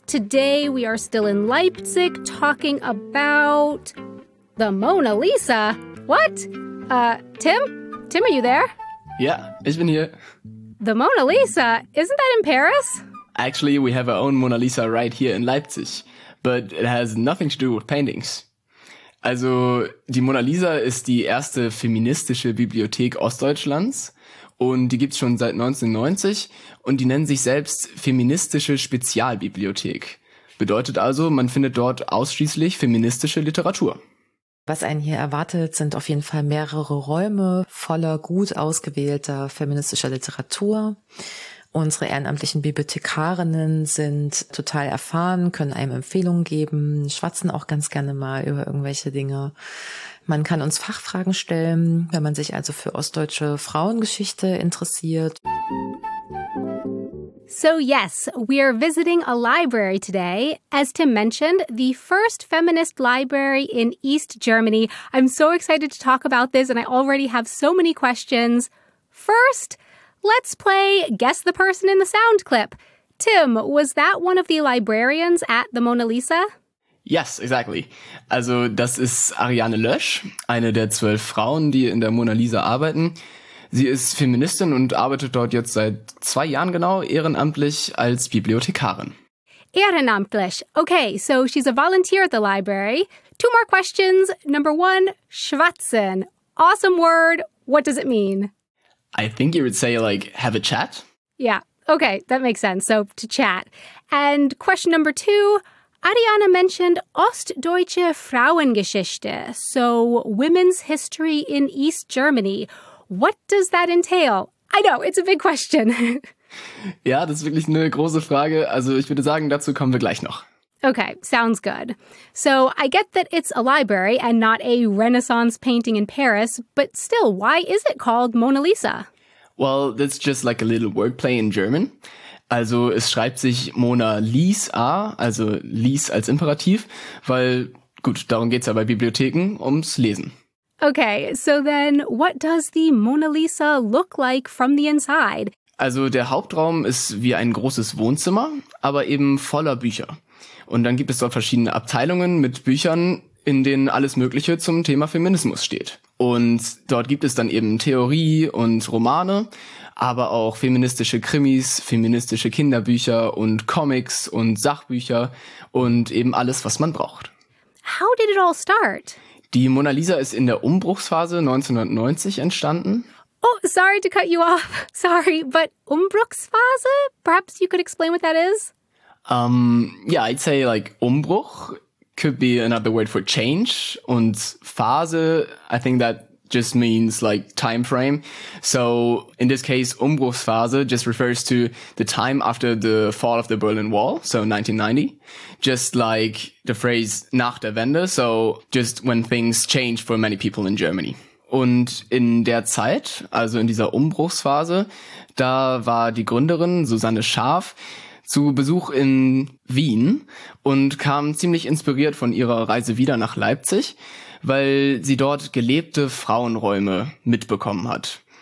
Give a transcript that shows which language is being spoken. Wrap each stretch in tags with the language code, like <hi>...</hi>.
<en>Today we are still in Leipzig talking about the Mona Lisa. What? Tim? Tim, are you there?</en> <de>Yeah, ich bin hier.</de> <en>The Mona Lisa? Isn't that in Paris? Actually, we have our own Mona Lisa right here in Leipzig, but it has nothing to do with paintings.</en> <de>Also, die Mona Lisa ist die erste feministische Bibliothek Ostdeutschlands und die gibt's schon seit 1990 und die nennen sich selbst feministische Spezialbibliothek. Bedeutet also, man findet dort ausschließlich feministische Literatur. Was einen hier erwartet, sind auf jeden Fall mehrere Räume voller gut ausgewählter feministischer Literatur. Unsere ehrenamtlichen Bibliothekarinnen sind total erfahren, können einem Empfehlungen geben, schwatzen auch ganz gerne mal über irgendwelche Dinge. Man kann uns Fachfragen stellen, wenn man sich also für ostdeutsche Frauengeschichte interessiert.</de> <en>So yes, we are visiting a library today. As Tim mentioned, the first feminist library in East Germany. I'm so excited to talk about this and I already have so many questions. First, let's play Guess the Person in the Sound Clip. Tim, was that one of the librarians at the Mona Lisa? Yes, exactly.</en> <de>Also das ist Ariane Lösch, eine der 12 Frauen, die in der Mona Lisa arbeiten. Sie ist Feministin und arbeitet dort jetzt seit 2 Jahren genau ehrenamtlich als Bibliothekarin. Ehrenamtlich.</de> <en>Okay, so she's a volunteer at the library. 2 more questions. Number 1, schwatzen. Awesome word. What does it mean? I think you would say like have a chat. Yeah, okay, that makes sense. So to chat. And question number 2, Ariane mentioned Ostdeutsche Frauengeschichte. So women's history in East Germany. What does that entail? I know, it's a big question.</en> <de>Ja, das ist wirklich eine große Frage. Also ich würde sagen, dazu kommen wir gleich noch.</de> <en>Okay, sounds good. So I get that it's a library and not a Renaissance painting in Paris, but still, why is it called Mona Lisa? Well, that's just like a little wordplay in German.</en> <de>Also es schreibt sich Mona Lisa, also Lies als Imperativ, weil, gut, darum geht's ja bei Bibliotheken, ums Lesen.</de> <en>Okay, so then what does the Mona Lisa look like from the inside?</en> <de>Also der Hauptraum ist wie ein großes Wohnzimmer, aber eben voller Bücher. Und dann gibt es dort verschiedene Abteilungen mit Büchern, in denen alles Mögliche zum Thema Feminismus steht. Und dort gibt es dann eben Theorie und Romane, aber auch feministische Krimis, feministische Kinderbücher und Comics und Sachbücher und eben alles, was man braucht.</de> <en>How did it all start?</en> <de>Die Mona Lisa ist in der Umbruchsphase 1990 entstanden.</de> <en>Oh, sorry to cut you off. Sorry, but Umbruchsphase? Perhaps you could explain what that is? Yeah, I'd say like Umbruch could be another word for change.</en> <de>Und</de> <en>Phase, I think that just means like time frame. So in this case, Umbruchsphase just refers to the time after the fall of the Berlin Wall, so 1990, just like the phrase</en> <de>nach der Wende,</de> <en>so just when things change for many people in Germany.</en> <de>Und in der Zeit, also in dieser Umbruchsphase, da war die Gründerin Susanne Scharf zu Besuch in Wien und kam ziemlich inspiriert von ihrer Reise wieder nach Leipzig, weil sie dort gelebte Frauenräume mitbekommen hat.</de>